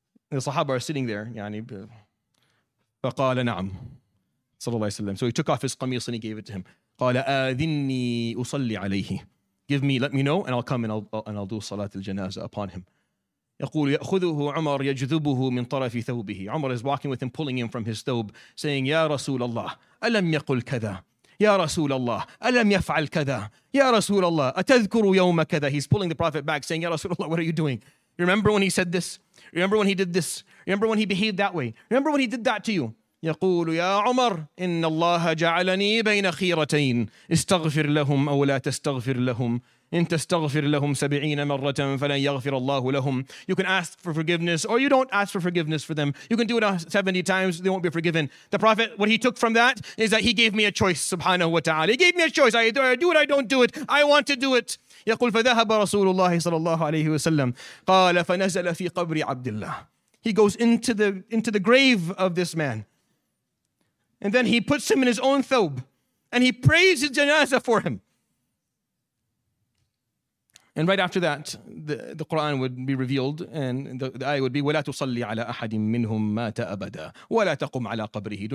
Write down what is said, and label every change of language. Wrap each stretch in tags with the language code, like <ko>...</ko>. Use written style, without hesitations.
<en>The Sahaba are sitting there,</en> <ar>فقال نعم صلى الله عليه وسلم.</ar> <en>So he took off his qamis and he gave it to him.</en> <ar>قال آذني أصلي عليه.</ar> <en>Give me, let me know, and I'll come and I'll do salat al-janazah upon him.</en> <ar>يقول يأخذه عمر يجذبه من طرف ثوبه.</ar> <en>Umar is walking with him, pulling him from his thobe, saying,</en> <ar>يا رسول الله ألم يقل كذا, يا رسول الله ألم يفعل كذا, يا رسول الله أتذكر يوم كذا.</ar> <en>He's pulling the Prophet back, saying,</en> <ar>يا رسول الله,</ar> <en>what are you doing? Remember when he said this? Remember when he did this? Remember when he behaved that way? Remember when he did that to you?</en> <ar>يقول يا عمر إن الله جعلني بين خيرتين استغفر لهم أو لا تستغفر لهم. إن تستغفر لهم سبعين مرة فلن يغفر الله لهم.</ar> <en>You can ask for forgiveness, or you don't ask for forgiveness for them. You can do it 70 times, they won't be forgiven. The Prophet, what he took from that is that he gave me a choice, subhanahu wa ta'ala. He gave me a choice. I do it, I don't do it. I want to do it.</en> <ar>يقول فذهب رسول الله صلى الله عليه وسلم قال فنزل في قبر عبد الله.</ar> <en>He goes into the grave of this man. And then he puts him in his own thawb. And he prays his janazah for him. And right after that, the Quran would be revealed, and the ayah would be</en> <ar>وَلَا تُصَلِّ عَلَىٰ أَحَدٍ مِّنْهُمْ مَاتَ أَبَدًا وَلَا تَقُمْ عَلَىٰ قَبْرِهِ.</ar>